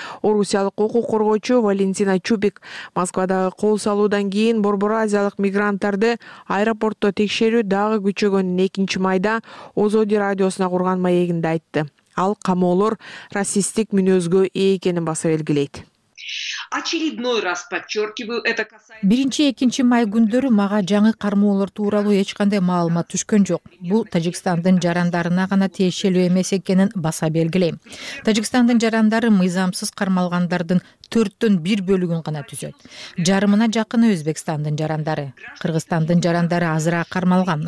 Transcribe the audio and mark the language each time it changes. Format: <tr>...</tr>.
<ky>Орусиялык укук коргоочу Валентина Чубик Москвадагы кол салуудан кийин борбор азиялык мигранттарды аэропортто текшерүү дагы күчөгөнүн 2 майда Озоди радиосуна курган маегинде айтты. Ал камоолор расисттик мүнөзгө ээ экенин баса белгилейт.</ky> <ru>Очередной раз подчеркиваю, это касается...</ru> <ky>1-2 май күндөрү мага жаңы кармоолор тууралуу эч кандай маалымат түшкөн жок. Бул Тажикстандын жарандарына гана тиешелүү эмес экенин баса белгилейм. Тажикстандын жарандары мыйзамсыз кармалгандардын 1/4 бөлүгүн гана түзөт. Жарымына жакыны Өзбекстандын жарандары. Кыргызстандын жарандары азыраак кармалган.</ky>